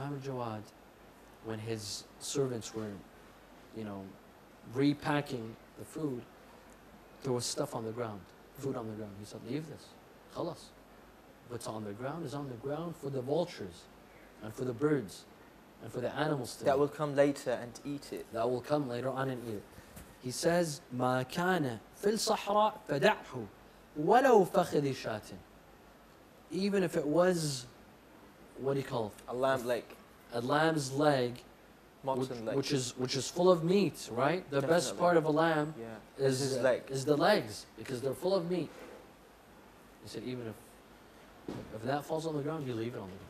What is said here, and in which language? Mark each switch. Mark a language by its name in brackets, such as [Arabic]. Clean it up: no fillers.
[English] Imam Jawad, when his servants were, you know, repacking the food, there was stuff on the ground, food on the ground. He said, leave this, khalas. What's on the ground is on the ground for the vultures and for the birds and for the animals to eat. That will come later and eat it. That will come later on and eat it. He says, [Arabic] مَا كَانَ فِي الصَّحْرَاءِ فَدَعْهُ وَلَوْ فَخِذِ شَاتٍ. [English] Even if it was, what do you call it? A lamb's leg. Which is full of meat, right? The Definitely. Best part of a lamb is the legs, because they're full of meat. He said, even if that falls on the ground, you leave it on the ground.